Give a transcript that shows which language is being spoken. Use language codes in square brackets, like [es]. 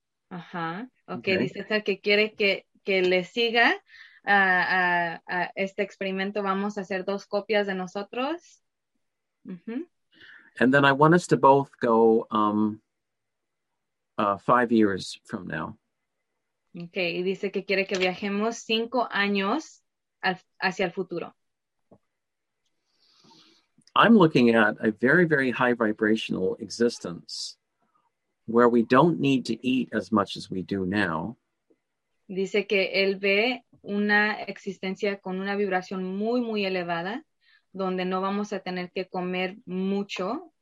[es] Uh-huh. Okay. Dice Ted que quiere que le siga a este experimento. Vamos a hacer 2 copias de nosotros. [en] And then I want us to both go 5 years from now. [es] Okay, y dice que quiere que viajemos 5 años hacia el futuro. [en] I'm looking at a very, very high vibrational existence where we don't need to eat as much as we do now. [es] Dice que él ve una existencia con una vibración muy, muy elevada donde no vamos a tener que comer mucho.